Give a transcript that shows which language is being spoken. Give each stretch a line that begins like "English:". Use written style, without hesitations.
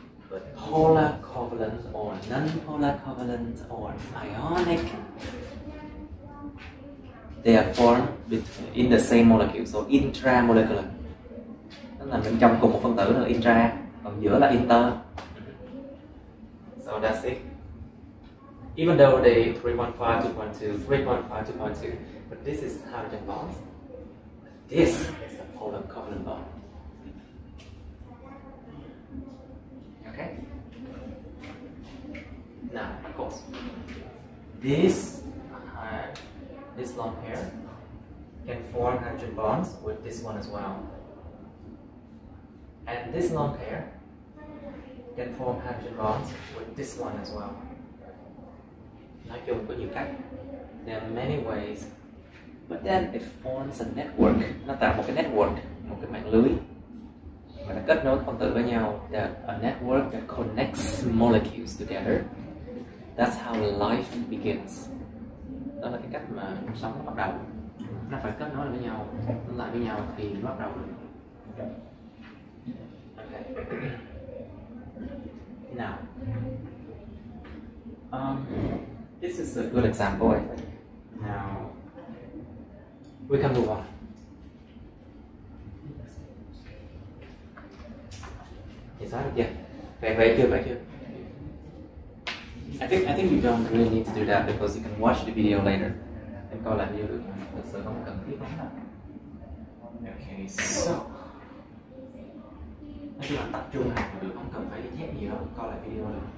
English: But polar covalent or non-polar covalent or ionic, they are formed between, in the same molecule. So intramolecular.
Vietnamese: Tức là bên trong cùng một phân tử là intra, còn giữa là inter.
English: So that's it. Even though they 3.5, 2.2, 3.5, 2.2, but this is hydrogen bonds. This is a called a covalent bond. Okay? Now, of course, this long pair can form hydrogen bonds with this one as well. And this long pair can form hydrogen bonds with this one as well. Like when you get, there are many ways, but then it forms a network.
Vietnamese: Nó tạo một cái network, một cái mạng lưới. Và nó kết nối phần tử với nhau.
English: That a network that connects molecules together. That's how life begins. Đó là cái cách mà cuộc sống bắt đầu.
Vietnamese: Nó phải kết nối lại với nhau thì nó bắt đầu.
English: Okay. Now, this is a good example. I think. Now, we can move on. Is that it? Yeah. Vậy chưa? I think you don't really need to do that because you can watch the video later.
Vietnamese: Em coi lại video được. Thật sự không cần thiết lắm. Okay. So. Nói chung là tập trung hàng là được, không cần phải đi chép gì đâu, coi lại video rồi.